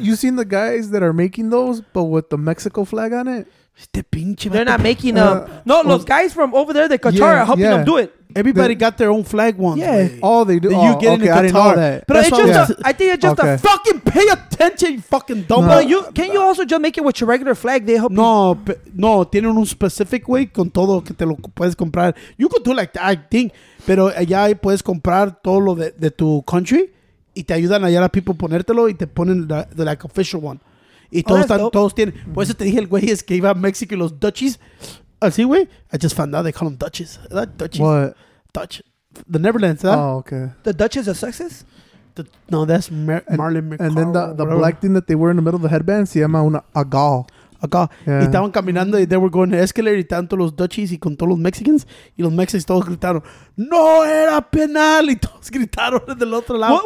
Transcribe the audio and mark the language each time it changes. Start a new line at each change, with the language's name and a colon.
English: You seen the guys that are making those, but with the Mexico flag on it? They're not making them. No, well, those guys from over there, the Qatar, are helping them do it. Everybody got their own flag once. Yeah. Oh, they do. You get into Qatar. I didn't know that. But it's just I think it's just a fucking pay attention, you fucking dumb. No. You also just make it with your regular flag? They help no, you.
Spanish: No, tienen un
English: specific way
Spanish: con todo que te lo puedes comprar.
English: You could do like that, I think.
Spanish: Pero allá puedes comprar todo lo de tu country y te ayudan allá a people ponértelo y te ponen
English: the like official one.
Spanish: Y todos tienen. Por eso te dije el güey es que iba a México y los Dutchies. Así, güey.
English: I just found out they call them Dutchies. Dutchies. What? Dutch. The Netherlands, huh? Oh, okay. The Dutchies of Success? That's Marilyn McCall. And then the black thing that they were in the middle of the headband,
Spanish: se llama una agal. Agal. Yeah. Y estaban caminando,
English: they were going to escalator,
Spanish: y tanto los Dutchies y con todos los Mexicans, y los Mexicans todos gritaron, no era penal, y todos gritaron del otro lado.